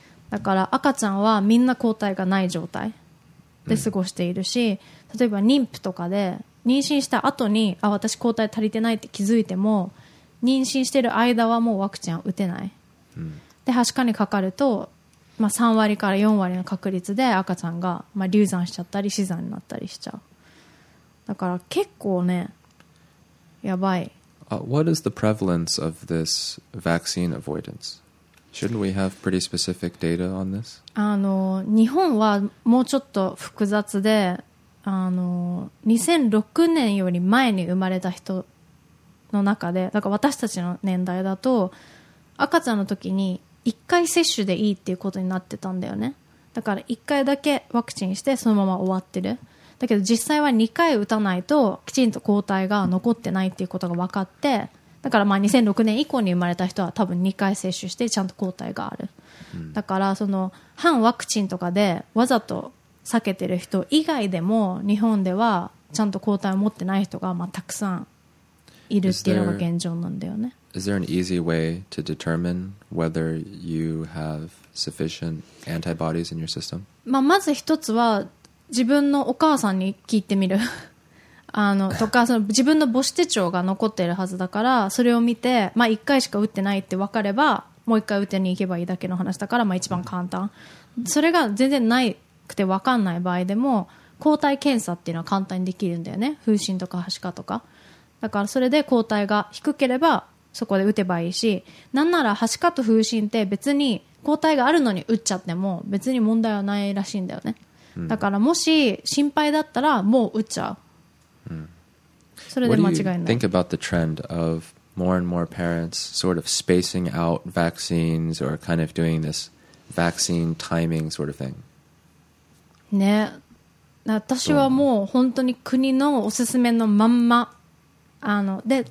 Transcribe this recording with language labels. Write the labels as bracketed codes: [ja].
[ja] だから赤ちゃんはみんな抗体がない状態で過ごしているし、例えば妊婦とかで妊娠した後に、あ、私抗体足りてないって気づいても、妊娠してる間はもうワクチン打てない、うん、で、はしかにかかると、まあ、3割から4割の確率で赤ちゃんが、まあ、流産しちゃったり死産になったりしちゃう。だから結構ね、やばい。 [en] What is the prevalence of this vaccine avoidance? Shouldn't we have pretty specific data on this? [ja] 日本はもうちょっと複雑で、2006年より前に生まれた人の中で、だから私たちの年代だと、赤ちゃんの時に 1回接種でいいっていうことになってたんだよね。だから1回だけワクチンしてそのまま終わってる。だけど実際は2回打たないときちんと抗体が残ってないっていうことが分かって、だからまあ2006年以降に生まれた人は多分2回接種してちゃんと抗体がある。だからその反ワクチンとかでわざと避けてる人以外でも日本ではちゃんと抗体を持ってない人がまあたくさんいるっていうのが現状なんだよね。 [en] Is there an easy way to determine whether you have sufficient antibodies in your system? [ja] まあまず一つは自分のお母さんに聞いてみるとか、その自分の母子手帳が残ってるはずだから、それを見て、まあ、1回しか打ってないって分かればもう1回打てに行けばいいだけの話だから、まあ、一番簡単。それが全然ないくて分かんない場合でも抗体検査っていうのは簡単にできるんだよね。風疹とかはしかとか、だからそれで抗体が低ければそこで打てばいいし、なんならはしかと風疹って別に抗体があるのに打っちゃっても別に問題はないらしいんだよね。だからもし心配だったらもう打っちゃう。それで間違いない。 [en] What do you think about the trend of more and more parents sort of spacing out vaccines or kind of doing this vaccine timing sort of thing? [ja] ね、私はもう本当に国のおすすめのまんま、で、